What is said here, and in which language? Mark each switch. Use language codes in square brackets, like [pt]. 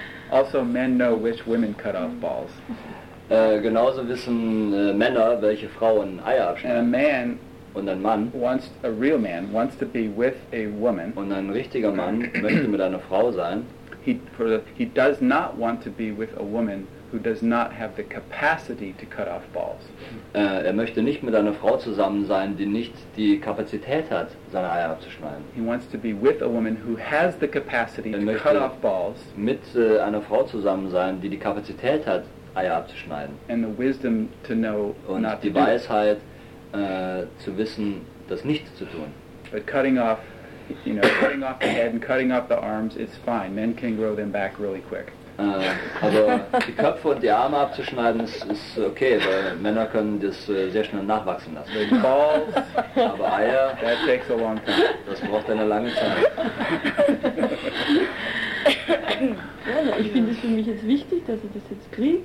[en] Also men know which women cut off balls. [de] Genauso wissen Männer, welche Frauen Eier abschneiden. [en] And a man [de] und ein Mann [en] wants a real man wants to be with a woman. [de] Und ein richtiger Mann möchte mit einer Frau sein. [en] He does not want to be with a woman who does not have the capacity to cut off balls. [de] Er möchte nicht mit einer Frau zusammen sein, die nicht die Kapazität hat, seine Eier abzuschneiden. [en] He wants to be with a woman who has the capacity to cut off balls. [de] Mit einer Frau zusammen sein, die Kapazität hat, Eier abzuschneiden. [en] And the wisdom to know [de] und [en] not [de] die [en] to [de] Weisheit zu wissen, das nicht zu tun. [en] But cutting off, you know, cutting off the head and cutting off the arms is fine. Men can grow them back really quick. [de] Aber die Köpfe und die Arme abzuschneiden ist okay, weil Männer können das sehr schnell nachwachsen lassen. [en] Like balls, [de] aber Eier, [en] that takes a long time. [de] Das braucht eine lange Zeit. Ja, ich finde es für mich jetzt wichtig, dass ich das jetzt kriege.